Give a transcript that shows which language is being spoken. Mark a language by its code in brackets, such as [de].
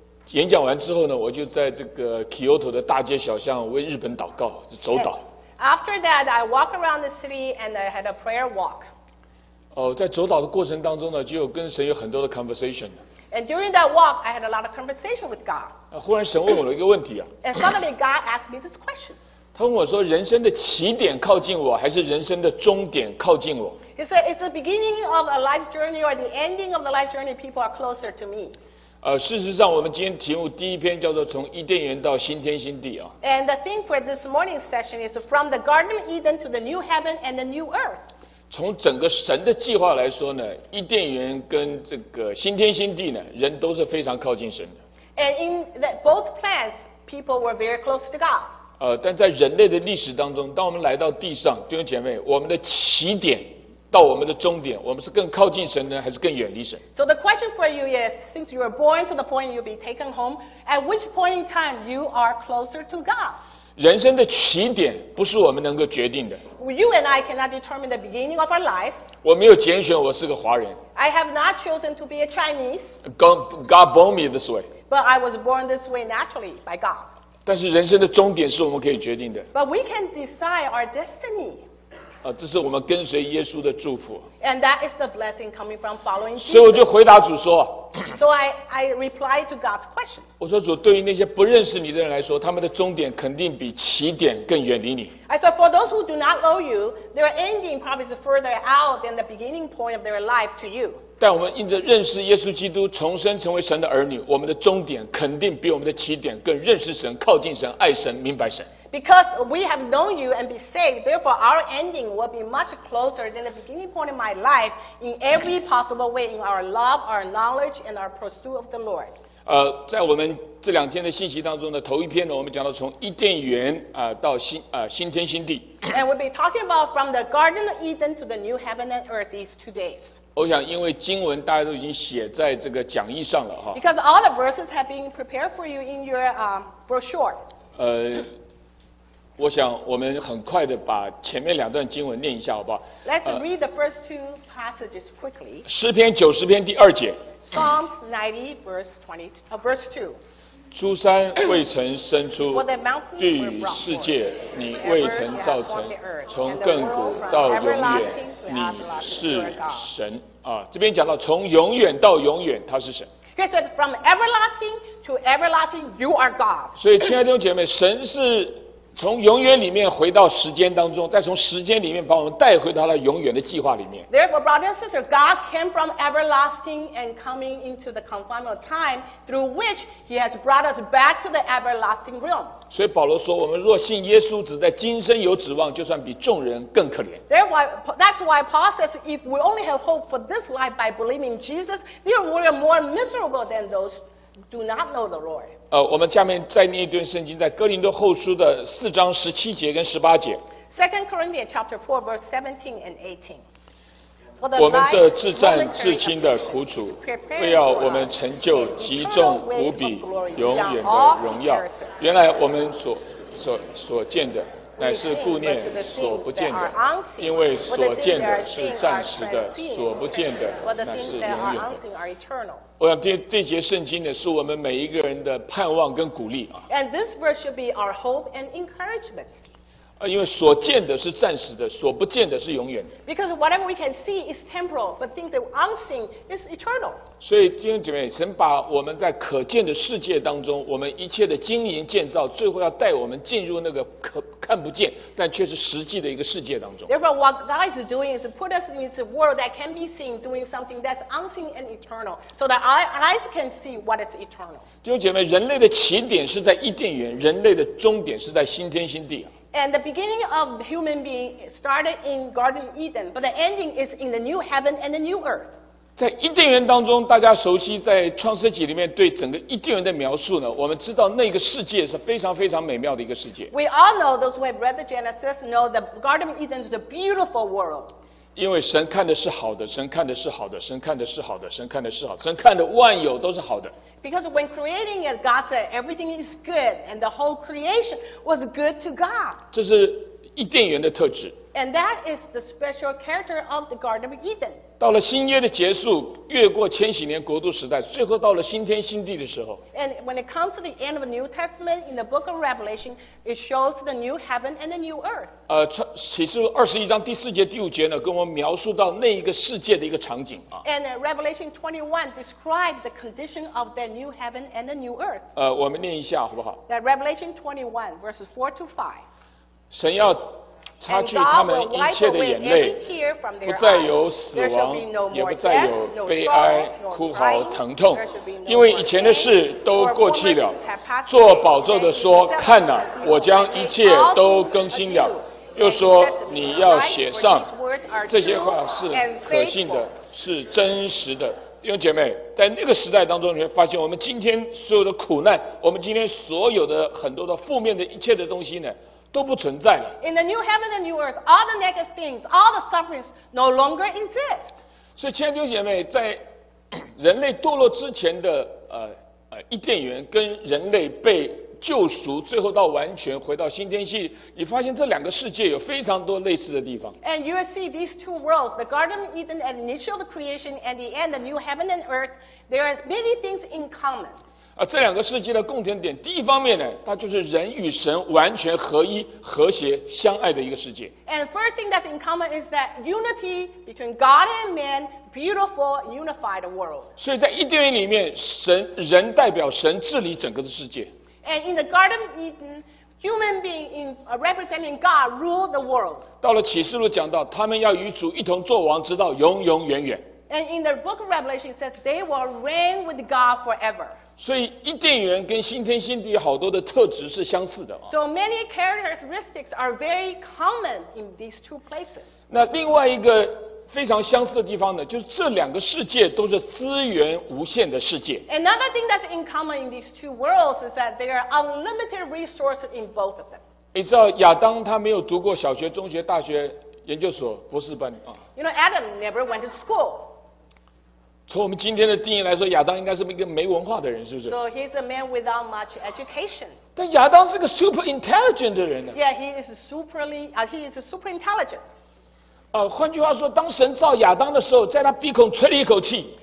[zh] 演讲完之后呢，我就在这个 Kyoto 的大街小巷为日本祷告，走祷。 [en] And After that, I walk around the city and I had a prayer walk. [zh] 在走祷的过程当中呢，就有跟神有很多的 conversation. [en] And during that walk, I had a lot of conversation with God. [zh] 忽然神问我了一个问题啊。 [en] And suddenly God asked me this question. [zh] 他问我说，人生的起点靠近我，还是人生的终点靠近我？ [en] He said, is the beginning of a life journey or the ending of the life journey people are closer to me? [zh] 事实上我们今天题目第一篇叫做从伊甸园到新天新地啊。 [en] And the theme for this morning's session is from the Garden of Eden to the new heaven and the new earth. [zh] 从整个神的计划来说呢，伊甸园跟这个新天新地呢，人都是非常靠近神的。 [en] And in that both plans, people were very close to God. [zh] 但在人类的历史当中，当我们来到地上，弟兄姐妹，我们的起点到我们的终点，我们是更靠近神呢，还是更远离神？ [en] So the question for you is, since you were born to the point you'll be taken home, at which point in time you are closer to God? [zh] 人生的起点不是我们能够决定的。 [en] You and I cannot determine the beginning of our life. [zh] 我没有拣选我是个华人。 [en] I have not chosen to be a Chinese. God born me this way. But I was born this way naturally by God. [zh] 但是人生的终点是我们可以决定的。 [en] But we can decide our destiny. [zh] 这是我们跟随耶稣的祝福。 [en] And that is the blessing coming from following Jesus. [zh] 所以我就回答主说。 [en] So I reply to God's question. [zh] 我说主，对于那些不认识你的人来说，他们的终点肯定比起点更远离你。 [en] I said, for those who do not know you, their ending probably is further out than the beginning point of their life to you. [zh] 但我们因着认识耶稣基督，重生成为神的儿女，我们的终点肯定比我们的起点更认识神、靠近神、爱神、明白神。 [en] Because we have known you and be saved, therefore our ending will be much closer than the beginning point in my life in every possible way in our love, our knowledge, and our pursuit of the Lord. [zh] 在我们这两天的信息当中呢，头一篇呢，我们讲到从伊甸园到新天新地。 [en] And we'll be talking about from the Garden of Eden to the new heaven and earth these 2 days. [zh] 我想因为经文大家都已经写在这个讲义上了哈。 [en] Because all the verses have been prepared for you in your brochure. [zh] 我想我们很快的把前面两段经文念一下好不好 [en] Let's read the first two passages quickly. [zh] 诗篇九十篇第二节 [en] Psalms 90 verse 20, verse 2. [zh] 诸山未曾生出 [en] For the mountains were brought forth. [zh] 世界你未曾造成 从亘古到永远你是神这边讲到从永远到永远他是神 [en] He said from everlasting to everlasting you are God. [zh] 所以亲爱的弟兄姐妹神是从永远里面回到时间当中，再从时间里面把我们带回到他永远的计划里面。 [en] Therefore, brothers and sisters, God came from everlasting and coming into the confinement of time through which He has brought us back to the everlasting realm. [zh] 所以保罗说，我们若信耶稣，只在今生有指望，就算比众人更可怜。 [en] Therefore, that's why Paul says, if we only have hope for this life by believing Jesus, then we are more miserable than those who do not know the Lord. [zh] 我们下面再念一段圣经，在哥林多后书的四章十七节跟十八节。 [en] Second Corinthians chapter four, verse 17 and 18. [zh] 我们这自战自轻的苦楚，为要我们成就极重无比、永远的荣耀。原来我们所见的，乃是顾念所不见的，因为所见的是暂时的，所不见的乃是永远的。我想这节圣经呢，是我们每一个人的盼望跟鼓励。 [en] And this verse should be our hope and encouragement. [zh] 因为所见的是暂时的，所不见的是永远的。 [en] Because whatever we can see is temporal, but things that are unseen is eternal. [zh] 所以弟兄姐妹，神把我们在可见的世界当中，我们一切的经营建造，最后要带我们进入那个看不见，但却是实际的一个世界当中。 [en] Therefore, what God is doing is put us into a world that can be seen, doing something that's unseen and eternal, so that our eyes can see what is eternal. [zh] 弟兄姐妹，人类的起点是在伊甸园，人类的终点是在新天新地。 [en] And the beginning of human being started in Garden Eden, but the ending is in the new heaven and the new earth. [zh] 在伊甸园当中，大家熟悉在创世纪里面对整个伊甸园的描述呢，我们知道那个世界是非常非常美妙的一个世界。 [en] We all know those who have read the Genesis know that Garden Eden is a beautiful world. [zh] 因为神看的是好的，神看的是好的，神看的是好的，神看的是好的，神看的万有都是好的。 [en] Because when creating it, God said everything is good, and the whole creation was good to God. [zh] 这是伊甸园的特质。 [en] And that is the special character of the Garden of Eden. [zh] 到了新约的结束，越过千禧年国度时代，最后到了新天新地的时候。 [en] And when it comes to the end of the New Testament in the book of Revelation, it shows the new heaven and the new earth. [zh] 启示录二十一章第四节第五节呢，跟我们描述到那一个世界的一个场景啊。 [en] And Revelation 21 describes the condition of the new heaven and the new earth. [zh] 我们念一下好不好 [en] ？That Revelation 21 verses 4 to 5. [zh] 神要擦去他们一切的眼泪，不再有死亡，也不再有悲哀、哭嚎、疼痛，因为以前的事都过去了。坐宝座的说：“看哪，我将一切都更新了。” 又说：“你要写上这些话是可信的，是真实的。” 弟兄姐妹，在那个时代当中，你会发现，我们今天所有的苦难，我们今天所有的很多的负面的一切的东西呢？都不存在了。 [en] In the new heaven and new earth, all the negative things, all the sufferings no longer exist. [zh] 所以亲爱的弟兄姐妹，在人类堕落之前的伊甸园跟人类被救赎，最后到完全回到新天地，你发现这两个世界有非常多类似的地方。 [en] And you will see these two worlds, the Garden of Eden and the initial creation and the end, the new heaven and earth, there are many things in common. [zh] 这两个世界的共同点，第一方面呢，它就是人与神完全合一、和谐、相爱的一个世界。 [en] And the first thing that's in common is that unity between God and man, beautiful, unified world. [zh] 所以在伊甸园里面，神人代表神治理整个的世界。 [en] And in the Garden of Eden, human being in representing God rule the world. [zh] 到了启示录讲到，他们要与主一同作王，直到永永远远。 [en] And in the book of Revelation, it says they will reign with God forever. [zh] 所以伊甸园跟新天新地好多的特质是相似的。 [en] So many characteristics are very common in these two places. [zh] 那另外一个非常相似的地方呢，就是这两个世界都是资源无限的世界。 [en] Another thing that's in common in these two worlds is that there are unlimited resources in both of them. [zh] 你知道亚当他没有读过小学、中学、大学、研究所、博士班啊。 [en] You know, Adam never went to school. [zh] 从我们今天的定义来说，亚当应该是一个没文化的人，是不是 [en] ？So he's a man without much education. [zh] 但亚当是个 [en] super intelligent [zh] 的人呢。 [en] Yeah, he is super intelligent. [zh] 换句话说，当神造亚当的时候，在他鼻孔吹了一口气。